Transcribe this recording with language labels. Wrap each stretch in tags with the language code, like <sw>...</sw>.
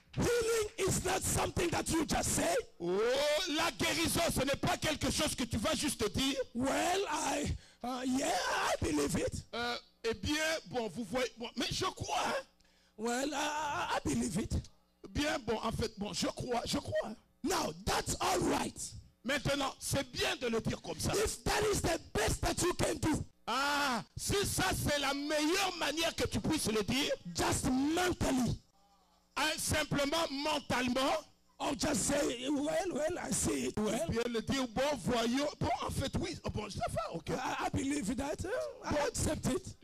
<en>healing is not something that you just say.</en> <fr>Oh, la guérison, ce n'est pas quelque chose que tu vas juste dire.</fr> <en>Well, I believe it.</en> <fr>Eh bien, bon, vous voyez, bon, mais je crois.</fr> <en>Well, I believe it.</en> <fr>Bien, bon, en fait, bon, je crois.</fr> <en>Now, that's all right.</en> <fr>Maintenant, c'est bien de le dire comme ça.</fr> <en>If that is the best that you can do.</en> <fr>Ah, si ça c'est la meilleure manière que tu puisses le dire.</fr> <en>Just mentally.</en> <fr>Simplement mentalement.</fr> <en>Or just say, well, I see it well.</en> <fr>Bien le dire, bon voyons. Bon, en fait, oui. Bon, ça va, ok.</fr> <en>I believe that. Bon, I accept it.</en>